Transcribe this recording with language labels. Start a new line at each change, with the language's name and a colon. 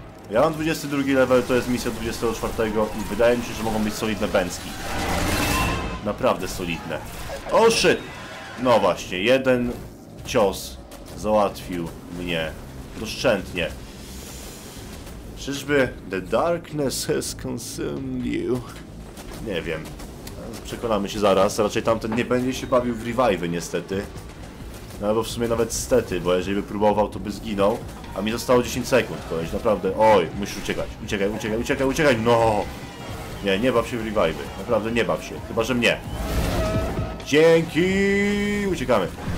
Polish: Ja mam 22 level, to jest misja 24 i wydaje mi się, że mogą być solidne bęcki. Naprawdę solidne.
English: Oh shit!
Polish: No właśnie, jeden cios załatwił mnie doszczętnie. Czyżby
English: the darkness has consumed you?
Polish: Nie wiem. Przekonamy się zaraz. Raczej tamten nie będzie się bawił w revive'y niestety. No albo w sumie nawet stety, bo jeżeli by próbował, to by zginął. A mi zostało 10 sekund, koleś. Naprawdę, oj, musisz uciekać. Uciekaj, uciekaj, uciekaj, uciekaj! No! Nie, nie baw się w revive'y. Naprawdę nie baw się. Chyba, że mnie. Dzięki! Uciekamy.